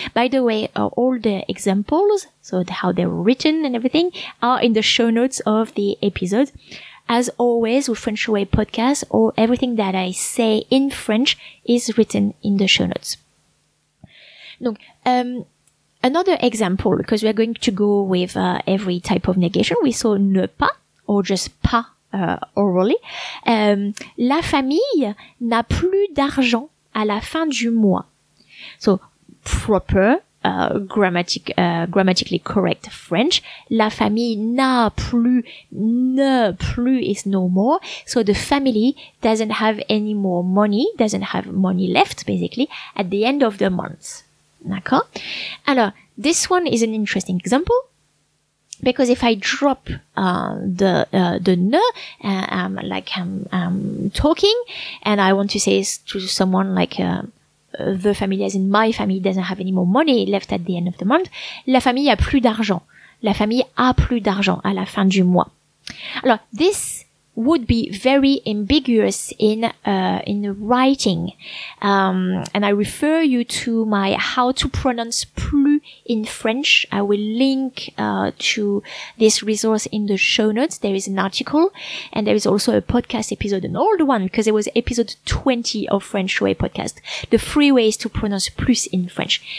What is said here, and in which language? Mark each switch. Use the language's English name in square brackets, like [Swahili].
[English] By the way, all the examples, so how they're written and everything, are in the show notes of the episode. As always with French Away podcast, or everything that I say in French is written in the show notes. Donc, another example, because we are going to go with every type of negation. We saw ne pas, or just pas, orally. [French] La famille n'a plus d'argent à la fin du mois. [English] So, proper, grammatically correct French. [French] La famille ne plus [English] is no more. So the family doesn't have any more money, doesn't have money left, basically, at the end of the month. D'accord? Alors, this one is an interesting example, because if I drop the ne, I'm talking, and I want to say to someone like, the family, as in my family, doesn't have any more money left at the end of the month, [French] la famille a plus d'argent. La famille a plus d'argent à la fin du mois. [English] Alors, this would be very ambiguous in writing. And I refer you to my how to pronounce plus in French. I will link to this resource in the show notes. There is an article and there is also a podcast episode, an old one, because it was episode 20 of French Way podcast, the three ways to pronounce plus in French.